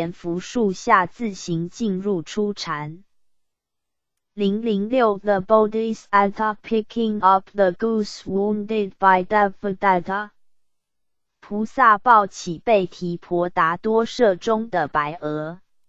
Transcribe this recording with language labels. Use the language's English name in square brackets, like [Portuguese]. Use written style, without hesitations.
[Chinese] 菩萨幼年在阎浮树下自行进入初禅 [English] 006 The Bodhisattva picking up the goose wounded by Devadatta [Chinese] 菩萨抱起被提婆达多射中的白鹅